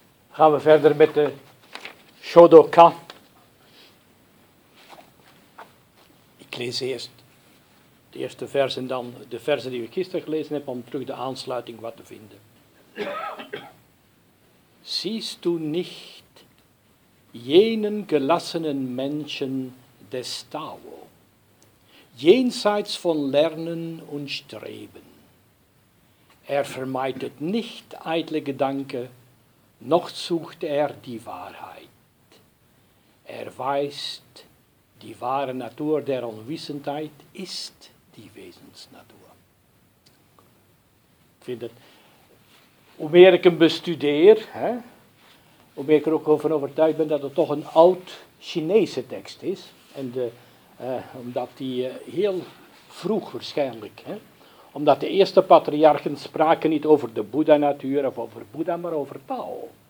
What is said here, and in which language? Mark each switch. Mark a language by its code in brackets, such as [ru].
[nl] Gaan we verder met de Shodoka. Ik lees eerst de eerste vers en dan de versen die we gisteren gelezen hebben om terug de aansluiting wat te vinden. [de] Siehst du nicht jenen gelassenen Menschen des Tao, jenseits von Lernen und Streben? Er vermeidet nicht eitle Gedanken, noch sucht er die Wahrheit. Er weiß, die wahre Natur der Unwissenheit ist die Wesensnatur. [nl] Ik vind het, hoe meer ik hem bestudeer, hè, hoe meer ik er ook over overtuigd ben dat het toch een oud-Chinese tekst is. En omdat die heel vroeg waarschijnlijk, hè, omdat de eerste patriarchen spraken niet over de Boeddha-natuur of over Boeddha, maar over Tao.